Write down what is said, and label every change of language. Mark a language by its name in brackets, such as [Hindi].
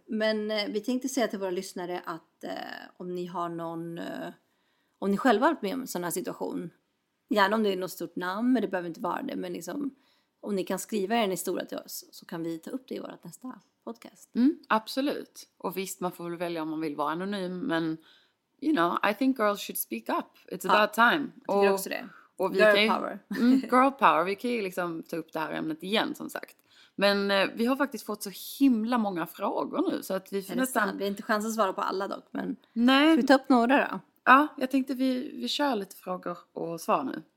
[Swedish] Men vi tänkte säga till våra lyssnare att om ni har någon... om ni själva har varit med om en sån här situation. Gärna om det är något stort namn, men det behöver inte vara det. Men liksom, om ni kan skriva er en historia till oss så kan vi ta upp det i vårt nästa podcast. Mm, absolut. Och visst, man får väl välja om man vill vara anonym. Men, [English] you know, I think girls should speak up. It's about time. [Swedish] Jag tycker också det. Och vi [English] girl [Swedish] kan ju, [English] power. Girl power, [Swedish] vi kan ju liksom ta upp det här ämnet igen som sagt. Men vi har faktiskt fått så himla många frågor nu. Så att vi får nästan... Vi har inte chans att svara på alla dock, men nej. Ska vi ta upp några då? Ja, jag tänkte vi kör lite frågor och svar nu.